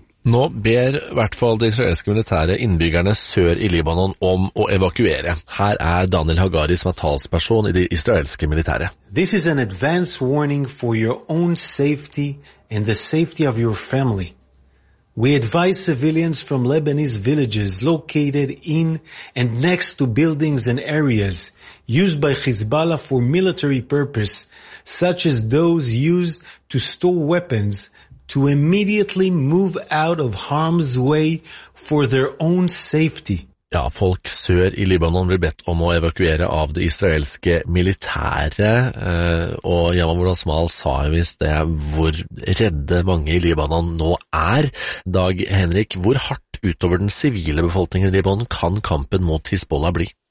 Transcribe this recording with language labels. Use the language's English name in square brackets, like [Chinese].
[Norwegian] Nå ber I hvert fall det israelske militære innbyggerne sør I Libanon om å evakuere. Her Daniel Hagari som talsperson I det israelske militæret. [English] This is an advance warning for your own safety and the safety of your family. We advise civilians from Lebanese villages located in and next to buildings and areas used by Hezbollah for military purpose, such as those used to store weapons, to immediately move out of harm's way for their own safety. [Norwegian] Ja, folk sør I Libanon blir bedt om å evakuere av det israelske militære, og Yamam Orasmal sa jo visst det hvor redde mange I Libanon nå Dag Henrik, hvor hardt utover den sivile befolkningen I Libanon kan kampen mot Hizbollah bli?